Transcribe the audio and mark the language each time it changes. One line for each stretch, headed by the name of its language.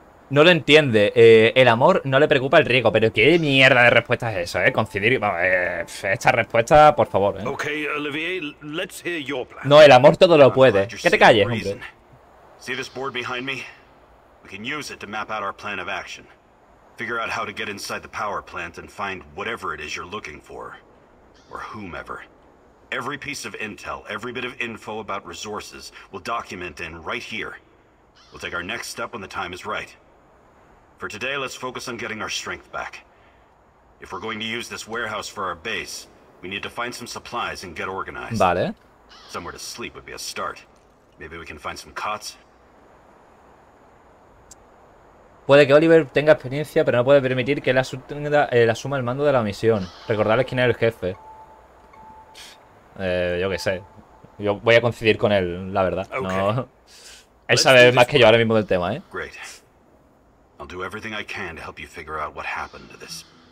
Spanish: No lo entiende, el amor no le preocupa el riesgo. Pero qué mierda de respuesta es eso, concidir, esta respuesta, por favor, ¿eh?
English: Okay, Olivier, let's hear your plan.
Spanish: No, el amor todo lo puede. Que te calles, hombre.
English: See this board behind me? We can use it to map out our plan of action. Figure out how to get inside the power plant and find whatever it is you're looking for. Or whomever. Every piece of intel, every bit of info about resources, we'll document in right here. We'll take our next step when the time is right. For today, let's focus on getting our strength back. If we're going to use this warehouse for our base, we need to find some supplies and get organized.
Spanish: Vale.
English: Somewhere to sleep would be a start. Maybe we can find some cots.
Spanish: Puede que Oliver tenga experiencia, pero no puede permitir que él asuma el mando de la misión. Recordarles quién es el jefe. Yo qué sé. Yo voy a coincidir con él, la verdad. No. Okay. Él sabe más que yo ahora mismo del tema, ¿eh?
English: Great. I'll do everything I can to help you figure out what happened to this.